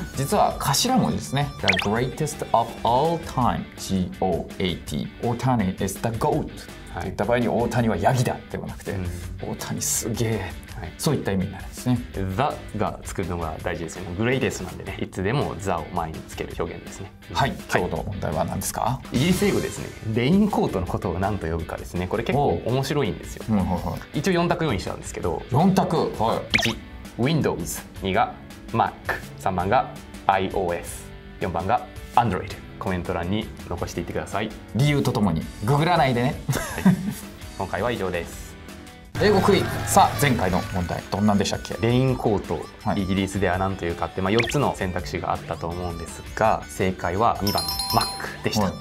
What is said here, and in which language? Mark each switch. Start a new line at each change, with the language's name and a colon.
Japanese: 実は頭文字ですね、
English: The greatest of all time, G-O-A-T、 Otani is the goat、
Japanese: はい、って言った場合に、大谷はヤギだではなくて、うん、大谷すげえ、はい、そういった意味になるんですね。 The が作るのが大事ですよね。Greatest なんでね、いつでも The を前につける表現ですね。はい、今日の問題は何ですか？はい、イギリス英語ですね、レインコートのことを何と呼ぶかですね。これ結構面白いんですよ。一応4択用意したんですけど、 4択、はい、 1 Windows、 2が Mac、 3番が iOS、 4番が Android。コメント欄に残していってください。理由とともにググらないでね。今回は以上です。英語クイズ、さあ前回の問題どんなんでしたっけ？レインコート、はい、イギリスでは何というかって、まあ、4つの選択肢があったと思うんですが、正解は2番の Mac でした。